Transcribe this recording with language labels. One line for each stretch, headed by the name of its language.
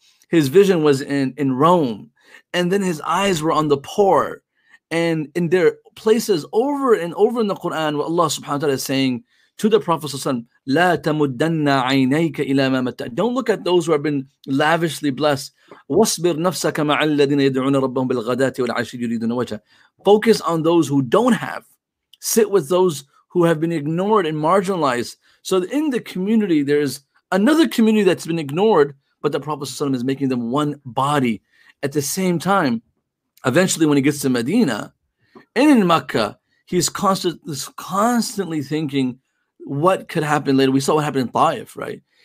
English: His vision was in Rome, and then his eyes were on the poor, and in their places over and over in the Quran, where Allah subhanahu wa ta'ala is saying to the Prophet sallallahu alaihi wasallam,
Arabic: لا تمدن عينيك إلى ما متى.
English: Don't look at those who have been lavishly blessed.
Arabic: واصبر نفسك مع الذين يدعون ربهم بالغداة والعشي يريدون وجهه.
English: Focus on those who don't have. Sit with those who have been ignored and marginalized. So in the community, there is another community that's been ignored, but the Prophet ﷺ is making them one body. At the same time, eventually when he gets to Medina and in Mecca, he's constantly thinking what could happen later. We saw what happened in Taif, right?